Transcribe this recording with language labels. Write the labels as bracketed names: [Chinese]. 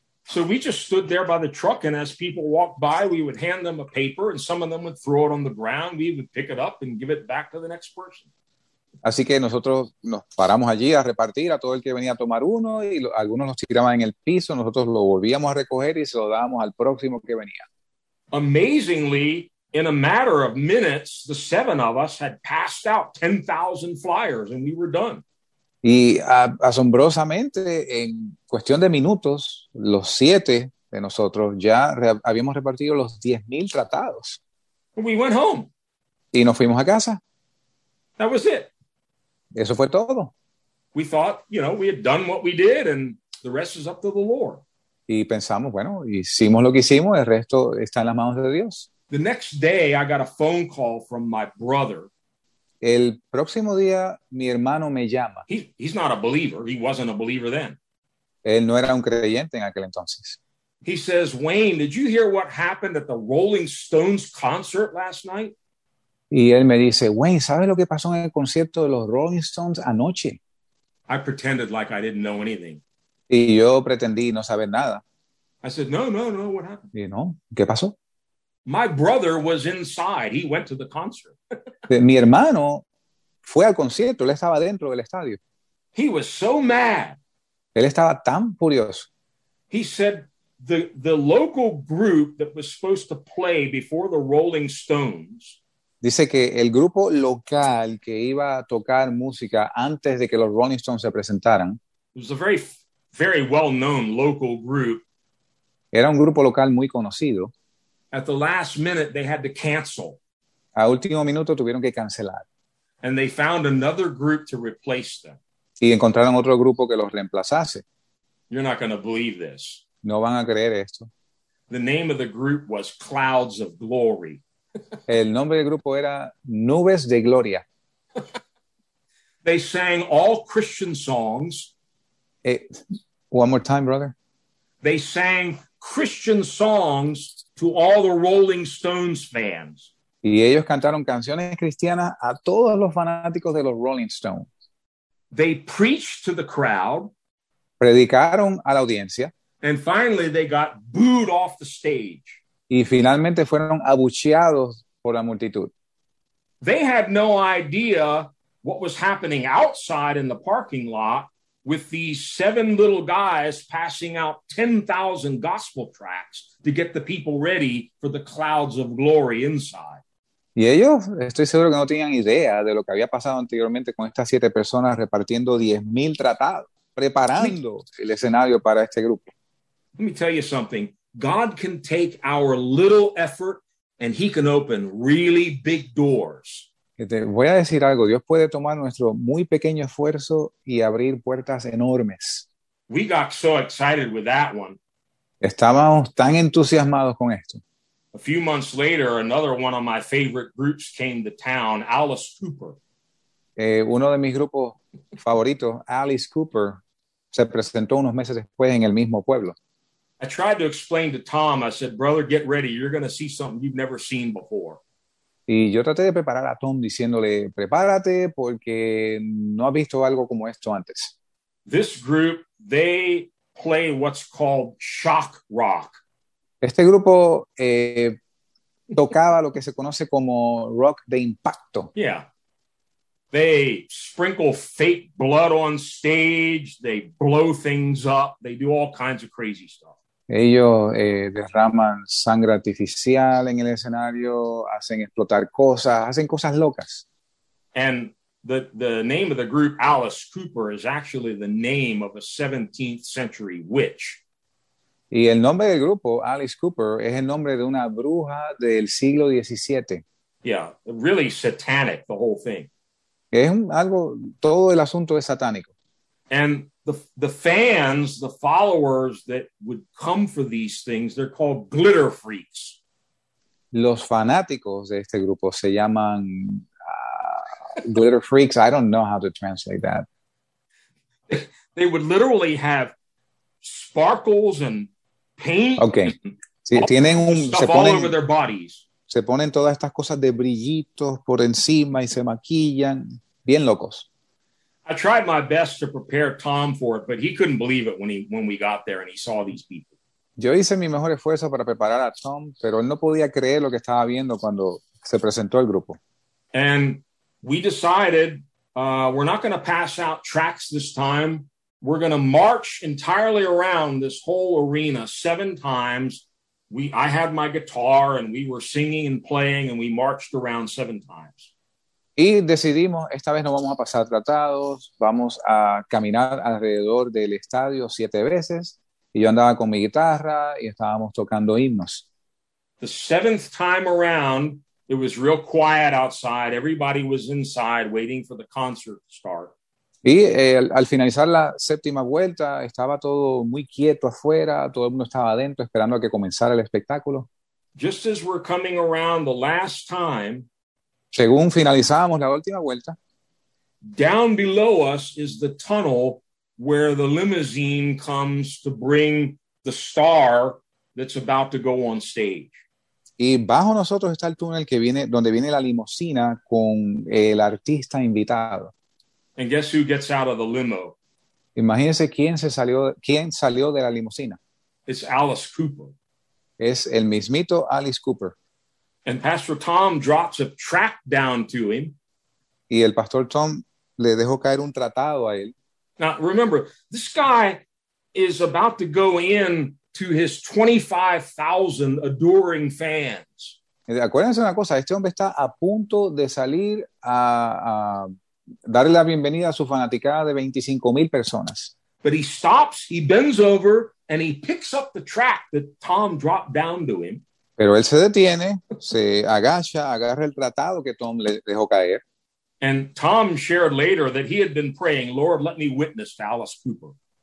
[English] So we just stood there by the truck, and as people walked by, we would hand them a paper, and some of them would throw it on the ground. We would pick it up and give it back to the next person. [Spanish] Así que nosotros nos paramos allí a repartir a todo el que venía a tomar uno, y algunos los tiraban en el piso. Nosotros lo volvíamos a recoger y se lo dábamos al próximo que venía. [English] Amazingly, in a matter of minutes, the seven of us had passed out 10,000 flyers, and we were done. [Spanish] Y asombrosamente, en cuestión de minutos, los siete de nosotros ya habíamos repartido los 10,000 tratados. [English] We went home. [Spanish] Y nos fuimos a casa. [English] That was it. [Spanish] Eso fue todo. [English] We thought, you know, we had done what we did and the rest is up to the Lord. [Spanish] Y pensamos, bueno, hicimos lo que hicimos, el resto está en las manos de Dios. [English] The next day I got a phone call from my brother. [Spanish] El próximo día, mi hermano me llama. [English] He's not a believer. He wasn't a believer then. [Spanish] Él no era un creyente en aquel entonces. [English] He says, Wayne, did you hear what happened at the Rolling Stones concert last night? [Spanish] Y él me dice, Wayne, ¿sabes lo que pasó en el concierto de los Rolling Stones anoche? [English] I pretended like I didn't know anything. [Spanish] Y yo pretendí no saber nada. [English] I said, no, what happened? [Spanish] Y no, ¿qué pasó? [English] My brother was inside. He went to the concert. [Spanish] Mi hermano fue al concierto. Él estaba dentro del estadio. [English] He was so mad. [Spanish] Él estaba tan furioso. [English] He said the local group that was supposed to play before the Rolling Stones. [Spanish] Dice que el grupo local que iba a tocar música antes de que los Rolling Stones se presentaran. [English] It was a very, very well-known local group. [Spanish] Era un grupo local muy conocido. [English] At the last minute, they had to cancel. [Spanish] A último minuto tuvieron que cancelar. [English] And they found another group to replace them. [Spanish] Y encontraron otro grupo que los reemplazase. [English] You're not going to believe this. [Spanish] No van a creer esto. [English] The name of the group was Clouds of Glory. [Spanish] El nombre del grupo era Nubes de Gloria. [English] They sang all Christian songs. One more time, brother. They sang Christian songs to all the Rolling Stones fans. [Spanish] Y ellos cantaron canciones cristianas a todos los fanáticos de los Rolling Stones. [English] They preached to the crowd. [Spanish] Predicaron a la audiencia. [English] And finally they got booed off the stage. [Spanish] Y finalmente fueron abucheados por la multitud. [English] They had no idea what was happening outside in the parking lot with these seven little guys passing out 10,000 gospel tracts to get the people ready for the clouds of glory inside. [Spanish] Y ellos, estoy seguro que no tenían idea de lo que había pasado anteriormente con estas siete personas repartiendo 10,000 tratados, preparando el escenario para este grupo. [English] Let me tell you something. God can take our little effort and he can open really big doors. [Spanish] Te voy a decir algo. Dios puede tomar nuestro muy pequeño esfuerzo y abrir puertas enormes. [English] We got so excited with that one. [Spanish] Estábamos tan entusiasmados con esto. [English] A few months later, another one of my favorite groups came to town, Alice Cooper. [Spanish] Uno de mis grupos favoritos, Alice Cooper, se presentó unos meses después en el mismo pueblo. [English] I tried to explain to Tom, I said, brother, get ready. You're going to see something you've never seen before. [Spanish] Y yo traté de preparar a Tom diciéndole, prepárate porque no has visto algo como esto antes. [English] This group, they play what's called shock rock. [Spanish] Este grupo tocaba lo que se conoce como rock de impacto. [English] Yeah. They sprinkle fake blood on stage. They blow things up. They do all kinds of crazy stuff. [Spanish] Ellos derraman sangre artificial en el escenario, hacen explotar cosas, hacen cosas locas. [English] And the name of the group, Alice Cooper, is actually the name of a 17th century witch. [Spanish] Y el nombre del grupo, Alice Cooper, es el nombre de una bruja del siglo XVII. [English] Yeah, really satanic, the whole thing. [Spanish] Es algo, todo el asunto es satánico. [English] And the fans, the followers that would come for these things, they're called glitter freaks. [Spanish] Los fanáticos de este grupo se llaman glitter freaks. [English] I don't know how to translate that. They would literally have sparkles and paint. Okay. [Spanish] Sí, tienen un, [English] stuff [Spanish] se ponen, [English] all over their bodies. [Spanish] Se ponen todas estas cosas de brillitos por encima y se maquillan. Bien locos. [English] I tried my best to prepare Tom for it, but he couldn't believe it when we got there and he saw these people. [Spanish] Yo hice mi mejor esfuerzo para preparar a Tom, pero él no podía creer lo que estaba viendo cuando se presentó el grupo. [English] And we decided we're not going to pass out tracts this time. We're going to march entirely around this whole arena 7 times. I had my guitar and we were singing and playing and we marched around 7 times. [Spanish] Y decidimos, esta vez no vamos a pasar tratados, vamos a caminar alrededor del estadio 7 veces. Y yo andaba con mi guitarra y estábamos tocando himnos. [English] The 7th time around, it was real quiet outside. Everybody was inside waiting for the concert to start. [Spanish] Y al finalizar la 7ª vuelta, estaba todo muy quieto afuera. Todo el mundo estaba adentro esperando a que comenzara el espectáculo. [English] Just as we're coming around the last time, [Spanish] según finalizábamos la última vuelta, [English] down below us is the tunnel where the limousine comes to bring the star that's about to go on stage. [Spanish] Y bajo nosotros está el túnel que viene, donde viene la limusina con el artista invitado. [English] And guess who gets out of the limo? [Spanish] Imagínense quién salió de la limusina. [English] It's Alice Cooper. [Spanish] Es el mismito Alice Cooper. [English] And Pastor Tom drops a tract down to him. [Spanish] Y el Pastor Tom le dejó caer un tratado a él. [English] Now, remember, this guy is about to go in to his 25,000 adoring fans. [Spanish] Acuérdense una cosa, este hombre está a punto de salir a darle la bienvenida a su fanaticada de 25,000 personas. [English] But he stops, he bends over, and he picks up the tract that Tom dropped down to him. [Spanish] Pero él se detiene, se agacha, agarra el tratado que Tom le dejó caer. [English] And Tom shared later that he had been praying, "Lord, let me witness to Alice Cooper."